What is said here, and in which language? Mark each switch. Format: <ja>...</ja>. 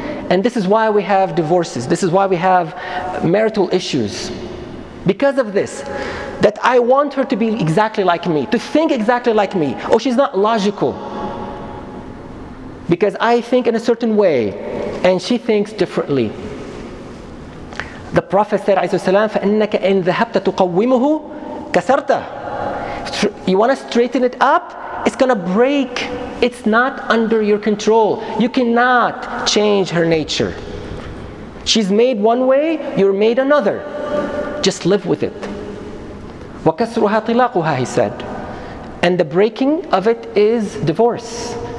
<en>And this is why we have divorces. This is why we have marital issues. Because of this, that I want her to be exactly like me, to think exactly like me. Oh, she's not logical. Because I think in a certain way, and she thinks differently. The Prophet said,</en> <ar>فَإِنَّكَ إِنْ ذَهَبْتَ تُقَوِّمُهُ كَسَرْتَ.</ar> <en>You want to straighten it up? It's going to break. It's not under your control. You cannot change her nature. She's made one way, you're made another. Just live with it.</en> <ar>وَكَسْرُهَا طِلَاقُهَا,</ar> <en>he said. And the breaking of it is divorce.</en>